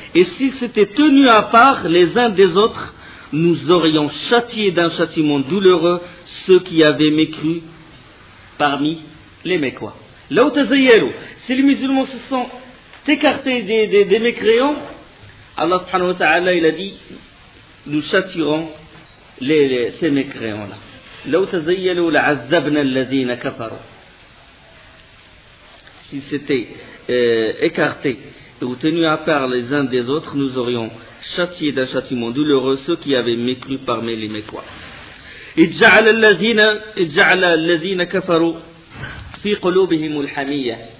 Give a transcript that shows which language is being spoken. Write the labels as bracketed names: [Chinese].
[French] Et s'ils s'étaient tenus à part les uns des autres, nous aurions châtié d'un châtiment douloureux ceux qui avaient mécru parmi les Mécois. [Arabic] لو تزيلوا. [French] Si les musulmans se sont écartés des mécréants, Allah subhanahu wa ta'ala, il a dit, nous châtirons ces mécréants-là. [Arabic] لو تزيلوا لعذبنا الذين كفروا. [French] S'ils s'étaient écartés ou tenus à part les uns des autres, nous aurions châtié d'un châtiment douloureux ceux qui avaient mécru parmi les Mécois. [Arabic] اجعل الذين كفروا في قلوبهم الحمية.